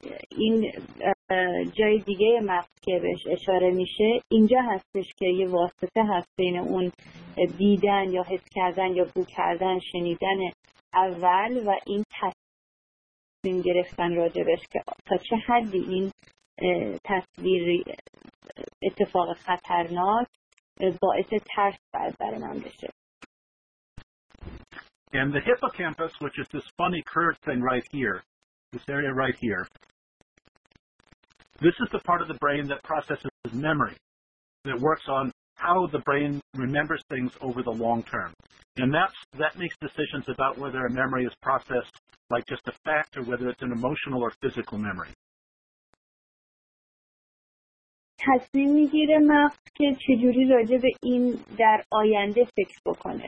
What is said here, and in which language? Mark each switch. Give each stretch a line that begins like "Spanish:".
Persian: این جای دیگه مغز که بهش اشاره میشه اینجا هستش که یه واسطه هست بین اون دیدن یا حس کردن یا بو کردن شنیدن اول و این تصمیم گرفتن راجبش که تا چه حدی این تصویر اتفاق خطرناک باعث ترس برای من بشه.
English: And the hippocampus, which is this funny curved thing right here, this area right here, this is the part of the brain that processes memory, that works on how the brain remembers things over the long term. And that makes decisions about whether a memory is processed like just a fact or whether it's an emotional or physical memory.
Persian: تصمیم میگیره مغز که چجوری راجع به این در آینده فکر بکنه.